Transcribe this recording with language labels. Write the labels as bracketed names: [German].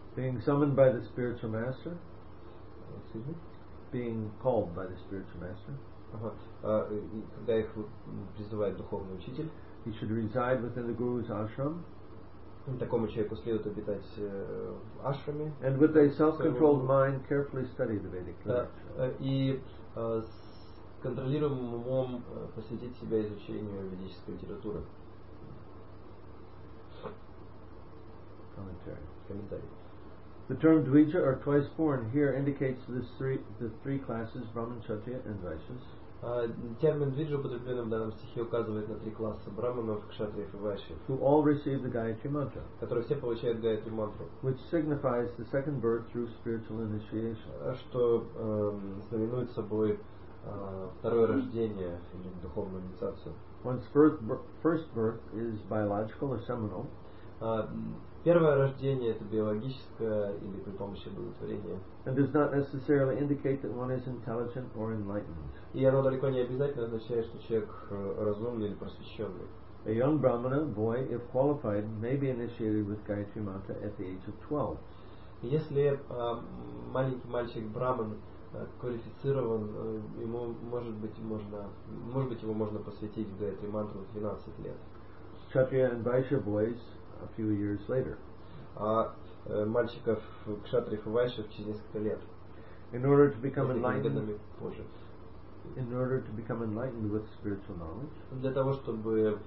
[English] Being summoned by the spiritual master. Excuse me? Being called by the spiritual master. [Russian] Когда их призывает духовный учитель. [English] He should reside within the Guru's ashram. [Russian] Такому человеку следует обитать в ашраме. [English] And with a self-controlled mind, carefully study the Vedic literature. [Russian] Контролируемым умом посвятить себя изучению ведической литературы. Комментарий. [English] The term dvija or twice born here indicates the three classes Brahman, Kshatriya and Vaishyas. [Russian] Термин dvija, употребленный в данном стихе, указывает на три класса Брахманов, Кшатриев и Вайшьев, [English] who all receive the Gayatri mantra, [Russian] которые все получают Гайатри мантру, [English] which signifies the second birth through spiritual initiation, [Russian] что знаменует собой второе рождение или духовную инициацию. [English] One's first birth is biological or seminal. [Russian] Первое рождение — это биологическое или при помощи благотворения. [English] And does not necessarily indicate that one is intelligent or enlightened. [Russian] И оно далеко не обязательно означает, что человек разумный или просвещенный. [English] A young brahmana, boy, if qualified, may be initiated with Gayatri mantra at the age of 12. [Russian] Если маленький мальчик брахман квалифицирован, ему может быть его можно посвятить в Гайатри мантру в 12 лет. [English] Kshatriya and Vaishya boys a few years later. [Russian] А мальчиков кшатриев и вайшев через несколько лет. [English] In order to become enlightened. In order to become enlightened with spiritual knowledge.